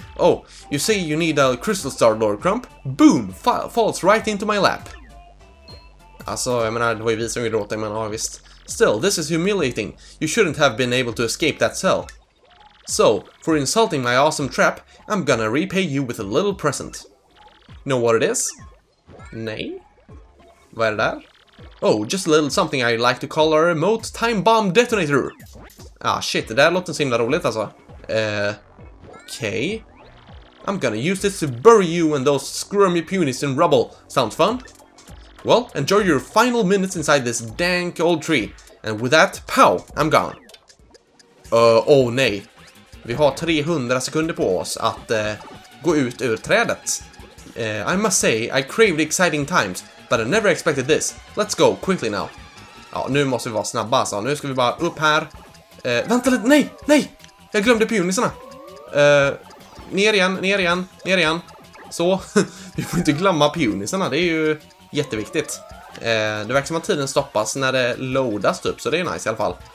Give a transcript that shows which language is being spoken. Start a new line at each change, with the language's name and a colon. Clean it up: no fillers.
English: Oh, you say you need a crystal star, Lord Crump? Boom! Falls right into my lap.
Swedish: Alltså, jag menar, det var ju vi som gjorde åt dig, men ja, visst.
English: Still, this is humiliating. You shouldn't have been able to escape that cell. So, for insulting my awesome trap, I'm gonna repay you with a little present. Know what it is?
Swedish: Nej. Vad är det där?
English: Oh, just a little something I like to call a remote time bomb detonator.
Swedish: Ah, shit, det där låter så himla roligt alltså. Okej.
English: Okay. I'm gonna use this to bury you and those scrummy punies in rubble. Sounds fun? Well, enjoy your final minutes inside this dank old tree. And with that, pow, I'm gone.
Swedish: Oh nej. Vi har 300 sekunder på oss att gå ut ur trädet.
English: I must say, I craved exciting times, but I never expected this. Let's go, quickly now.
Swedish: Ja, nu måste vi vara snabba, så nu ska vi bara upp här. Vänta lite, nej, nej! Jag glömde punisarna. Ner igen. Så, vi får inte glömma punisarna, det är ju... Jätteviktigt. Det verkar som att tiden stoppas när det loadas upp, så det är nice i alla fall.